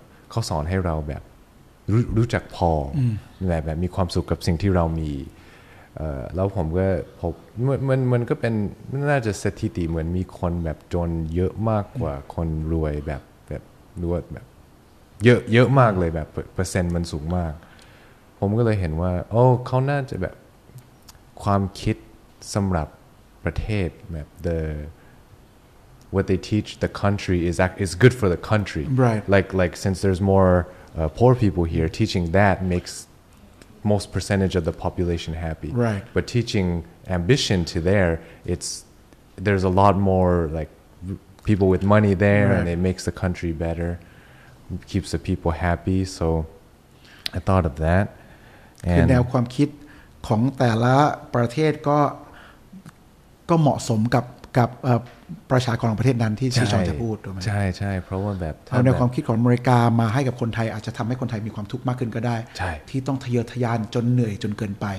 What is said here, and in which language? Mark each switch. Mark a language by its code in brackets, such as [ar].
[th] เขาสอนให้เราแบบรู้จักพอแบบมีความสุขกับสิ่งที่เรามีแล้วผมก็พบมันก็เป็นน่าจะสถิติเหมือนมีคนแบบจนเยอะมากกว่าคนรวยแบบรวดแบบเยอะเยอะมากเลยแบบเปอร์เซ็นต์มันสูงมากผมก็เลยเห็นว่าโอ้เขาน่าจะแบบความคิดสำหรับประเทศแบบ [en] the what they teach the country [th] is good for the country [en] right like since there's more poor people here teaching that makes most percentage of the population happy right but teaching ambition to there it's there's a lot more like people with money there right. and it makes the country better keeps the people happy so I thought of that [th] คือแนวความคิดของแต่ละประเทศก็เหมาะสมกับประชากรของประเทศนั้นที่ชื่อชอนจะพูดถูกไหม ใช่ใช่เพราะว่าแบบ เอาแนวความคิดของอเมริกามาให้กับคนไทยอาจจะทำให้คนไทยมีความทุกข์มากขึ้นก็ได้ ที่ต้องทะเยอทะยานจนเหนื่อยจนเกินไป